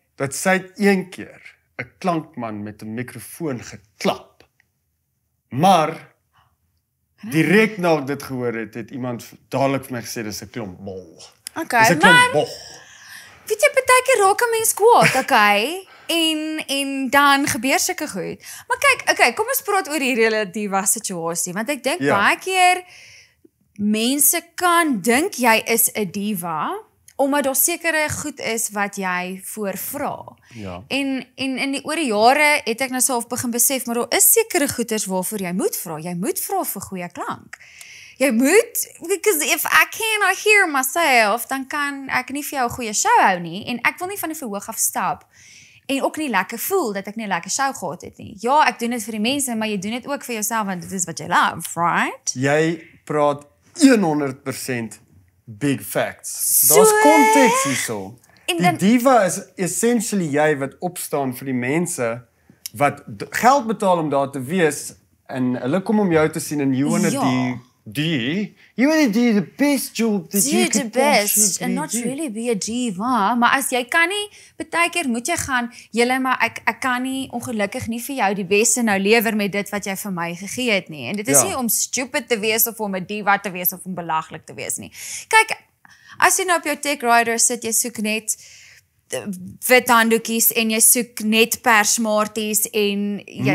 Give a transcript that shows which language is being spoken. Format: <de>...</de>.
<af>Dat sy een keer 'n klankman met 'n mikrofoon geklap. Maar direk na ek dit gehoor het, het iemand dadelik vir my gesê dis 'n klomp bol. Okay, dis 'n klomp bol. Weet jy, baie keer raak 'n mens kwaad, okay? en dan gebeur sulke goed. Maar kyk, okay, kom ons praat oor hierdie relatiewe situasie, want ek dink baie keer mense kan dink jy is 'n diva omdat daar sekere goed is wat jy voorvra. Ja. En in die oor die jare het ek nou self begin besef, maar daar is sekere goeders waarvoor jy moet vra. Jy moet vra vir goeie klank. Jy moet,</af> <en>because if I cannot hear myself,</en> <af>dan kan ek nie vir jou 'n goeie show hou nie en ek wil nie van die verhoog af stap en ook nie lekker voel dat ek nie 'n lekker show gehad het nie. Ja, ek doen dit vir die mense, maar jy doen dit ook vir jouself want dit is wat jy love, right? Jy praat 100% big facts. Daar's konteks hierso. Die diva is essentially jy wat opstaan vir die mense wat geld betaal om daar te wees en hulle kom om jou te sien en</af> <en>you want to die. You want to do the best job that you could possibly and not really be a diva,</en> <af>maar as jy kan nie, baie keer moet jy gaan, julle maar ek kan nie ongelukkig nie vir jou die beste nou lewer met dit wat jy vir my gegee het nie. En dit is nie om stupid te wees of om 'n diva te wees of om belaglik te wees nie. Kyk, as jy nou op jou tech rider sit, jy soek net wit handdoekies en jy soek net persmarties en jy</af>